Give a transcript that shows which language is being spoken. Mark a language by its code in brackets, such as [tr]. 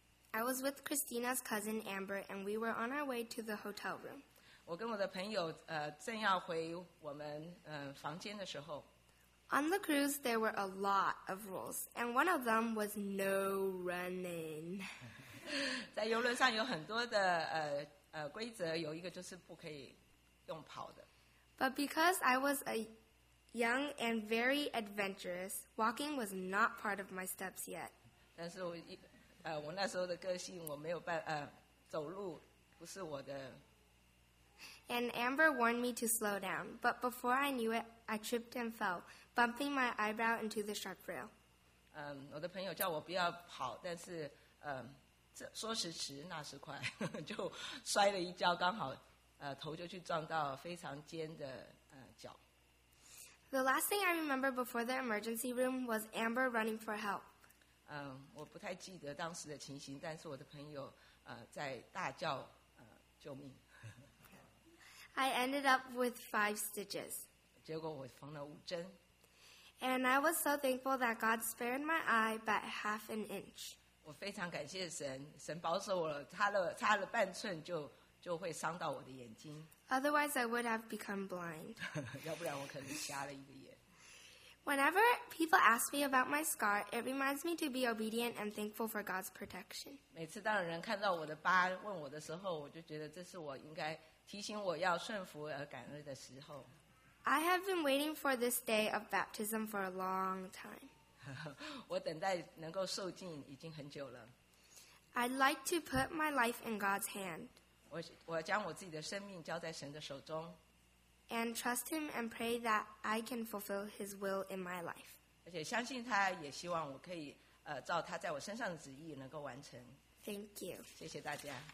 [en] I was with Christina's cousin Amber, and we were on our way to the hotel room. [zh] 我跟我的朋友正要回我们房间的时候。 [en] On the cruise, there were a lot of rules, and one of them was no running. [zh] 在游轮上有很多的规则，有一个就是不可以用跑的。 [en] But because I was a young and very adventurous, walking was not part of my steps yet. [zh] 但是我那时候的个性，我没有办走路不是我的。 [en] And Amber warned me to slow down, but before I knew it, I tripped and fell, bumping my eyebrow into the sharp rail. [zh] 我的朋友叫我不要跑，但是说时迟，那时快，就摔了一跤，刚好头就去撞到非常尖的脚。 [en] The last thing I remember before the emergency room was Amber running for help. [zh] 我不太记得当时的情形，但是我的朋友在大叫救命。 [en] I ended up with 5 stitches. [zh] 结果我缝了五针。 [en] And I was so thankful that God spared my eye by half an inch. [zh] 我非常感谢神，神保守我差了半寸就会伤到我的眼睛。 [en] Otherwise, I would have become blind. [zh] 要不然我可能瞎了一个眼。 [en] Whenever people ask me about my scar, it reminds me to be obedient and thankful for God's protection. [zh] 每次当人看到我的疤问我的时候，我就觉得这是我应该提醒我要顺服而感恩的时候。 [en] I have been waiting for this day of baptism for a long time. [zh] 我等待能够受浸已经很久了。 [en] I'd like to put my life in God's hand. [zh] 我将我自己的生命交在神的手中。 [en] And trust Him and pray that I can fulfill His will in my life. [zh] 而且相信他，也希望我可以照他在我身上的旨意能够完成。 [en] Thank you. [zh] 谢谢大家。